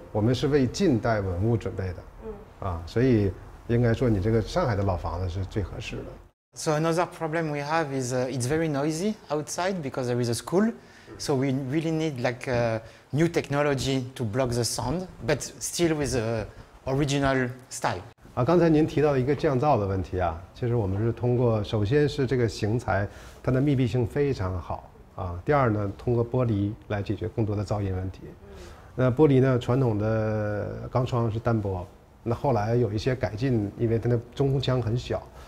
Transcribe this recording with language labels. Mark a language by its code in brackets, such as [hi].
[zh] 我们是为近代文物准备的，所以应该说你这个上海的老房子是最合适的。 [en] So another problem we have is it's very noisy outside because there is a school. So we really need like a new technology to block the sound, but still with the original style. [zh] 啊，刚才您提到一个降噪的问题啊，其实我们是通过，首先是这个型材它的密闭性非常好啊，第二呢，通过玻璃来解决更多的噪音问题。那玻璃呢，传统的钢窗是单薄，那后来有一些改进，因为它的中空腔很小。